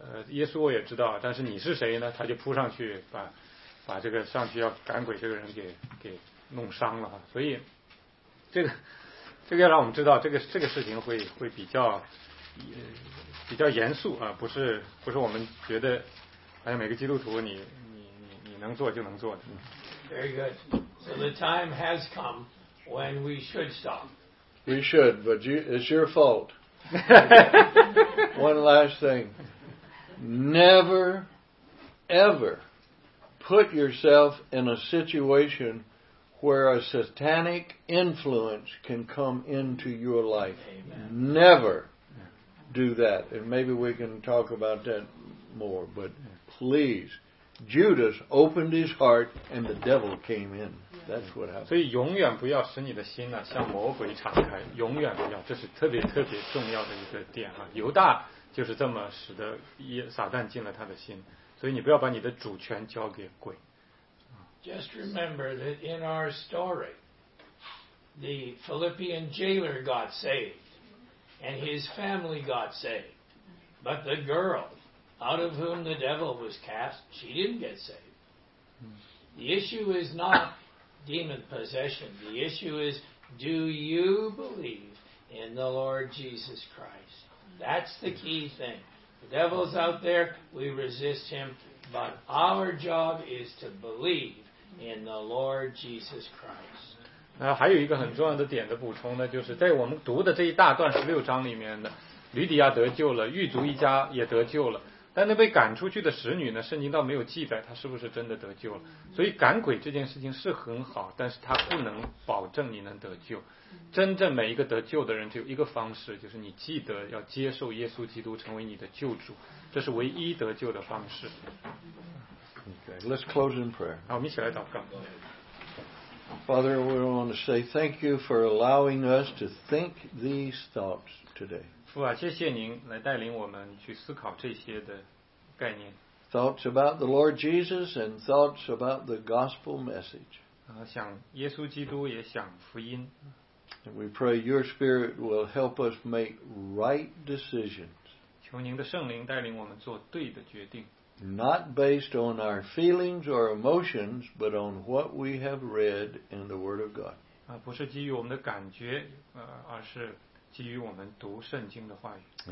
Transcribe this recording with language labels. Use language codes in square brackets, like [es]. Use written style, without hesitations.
[zh] 耶稣我也知道，但是你是谁呢？他就扑上去把这个上去要赶鬼这个人给弄伤了哈。所以这个要让我们知道，这个事情会比较严肃啊，不是我们觉得好像每个基督徒你能做就能做的。 [en] Very good. So the time has come when we should stop. We should, but it's your fault. One last thing. Never, ever put yourself in a situation where a satanic influence can come into your life. Amen. Never do that. And maybe we can talk about that more. But please, Judas opened his heart and the devil came in. That's what happened. [zh] 所以永远不要使你的心呢向魔鬼敞开，永远不要，这是特别特别重要的一个点啊。犹大就是这么使得撒旦进了他的心，所以你不要把你的主权交给鬼。 [en] Just remember that in our story, the Philippian jailer got saved, and his family got saved. But the girl, out of whom the devil was cast, she didn't get saved. The issue is not demon possession. The issue is, do you believe in the Lord Jesus Christ? That's the key thing. The devil's out there, we resist him, but our job is to believe in the Lord Jesus Christ. [zh] 那还有一个很重要的点的补充呢，就是在我们读的这一大段十六章里面呢，吕底亚得救了，狱卒一家也得救了，但那被赶出去的使女呢，圣经倒没有记载她是不是真的得救了。所以赶鬼这件事情是很好，但是它不能保证你能得救。真正每一个得救的人只有一个方式，就是你记得要接受耶稣基督成为你的救主，这是唯一得救的方式。 [en] Okay, let's close in prayer. [zh] 好，我们一起来祷告。 [en] Father, we want to say thank you for allowing us to think these thoughts today. [zh] 父啊，谢谢您来带领我们去思考这些的概念。 [en] Thoughts about the Lord Jesus and thoughts about the gospel message. [zh] 想耶稣基督，也想福音。 [en] And we pray your Spirit will help us make right decisions. [zh] 求您的圣灵带领我们做对的决定。 [en] Not based on our feelings or emotions, but on what we have read in the Word of God. [zh] 不是基于我们的感觉，而是基于我们读圣经的话语。